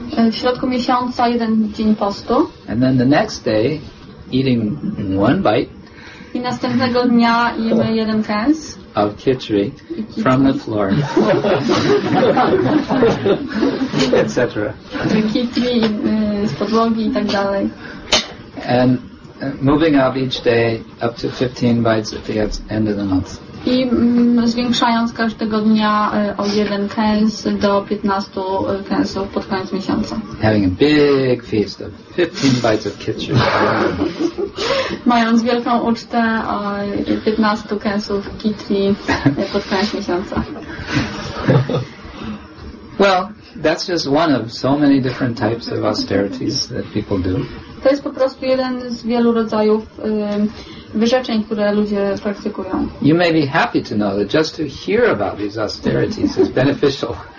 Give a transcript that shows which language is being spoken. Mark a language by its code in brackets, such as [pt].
[pl] W środku miesiąca jeden dzień postu. [en] And then the next day, eating one bite. [pl] I następnego dnia jemy jeden kęs. [en] Of khichdi from the floor, etc. [pl] Khichdi z podłogi i tak dalej. [en] And moving up each day up to 15 bites at the end of the month. [pl] I zwiększając każdego dnia o jeden kęs do 15 kęsów pod koniec miesiąca. [en] Having a big feast of 15 bites of khichdi. [pl] Mając wielką ucztę o 15 kęsów khichdi pod koniec miesiąca. [en] Well, that's just one of so many different types of austerities that people do. [pl] To jest po prostu jeden z wielu rodzajów wyrzeczeń, które ludzie praktykują. [en] You may be happy to know that just to hear about these austerities is beneficial.